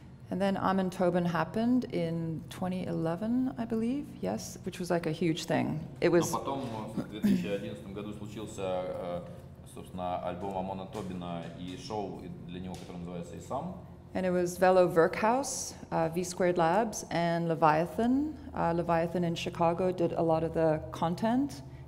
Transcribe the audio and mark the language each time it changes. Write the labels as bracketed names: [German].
[English] And then Amen Tobin happened in 2011, I believe, yes, which was like a huge thing. It was... [Russian] Но потом, в 2011 году случился... собственно, альбом Амона Тобина и шоу для него, которое называется «Исам». [English] And it was Velo Verkhaus, V-Squared Labs, and Leviathan. Leviathan in Chicago did a lot of the content.